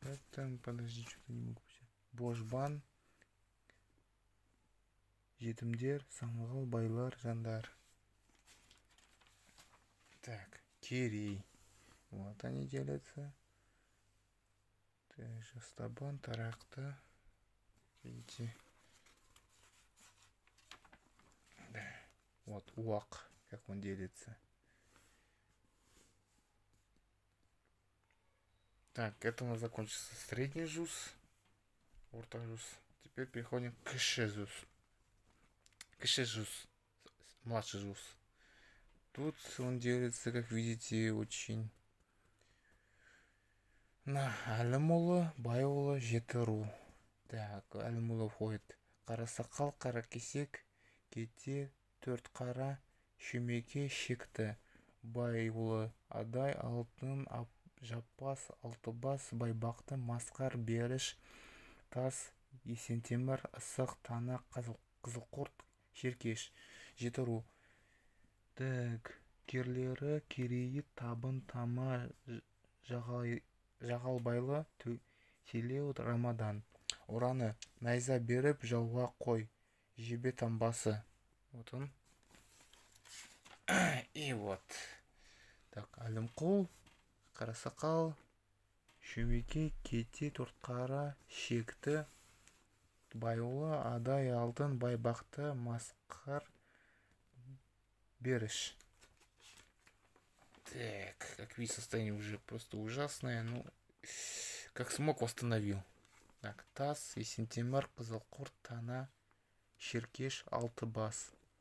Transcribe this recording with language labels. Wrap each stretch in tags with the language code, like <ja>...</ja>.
<ru>Там, подожди, что-то не могу взять.</ru> <kk>Божбан. Жетімдер, саңлығы, байлар, жандар.</kk> <ru>Так, керей. Вот они делятся. Так, жастабан, тарақты. Видите. Вот, уақ, как он делится. Так, это у нас закончился средний жуз.</ru> <kk>Орта жуз.</kk> <ru>Теперь переходим к кыше жуз.</ru> <kk>Кыше жуз.</kk> <ru>Младший жуз. Тут он делится, как видите, очень на Алимулы, Байулы, Жетіру. Так, Алимулы входит.</ru> <kk>Қарасақал, Қаракесек, Кете, Төртқара, Шөмеке, Шекті, Байулы, Адай, Алтын, Ап, Жаппас, Алтыбас, Байбақты, Масқар, Беріш, Тас, Есентемір, Ысық, Тана, Қызылқұрт, Шеркеш, Жетіру. Так, керлері, Керейі, Табын, Тама, Жағалбайлы, Селеуд, Рамадан. Ураны, найза беріп, жауға қой. Жебе тамбасы.</kk> <ru>Вот он.</ru> <kk>И вот. Так, Әлімқұл, Қарасақал, Шөмекей, Кете, Төртқара, Шекті, Байұлы, Адай, Алтын, Байбақты, Масқар, Беріш.</kk> <ru>Так, как видите, состояние уже просто ужасное. Ну, как смог, восстановил.</ru> <kk>Так, Тас, Есентемір, Қызылқұрт, Тана, Шеркеш, Алтыбас.</kk>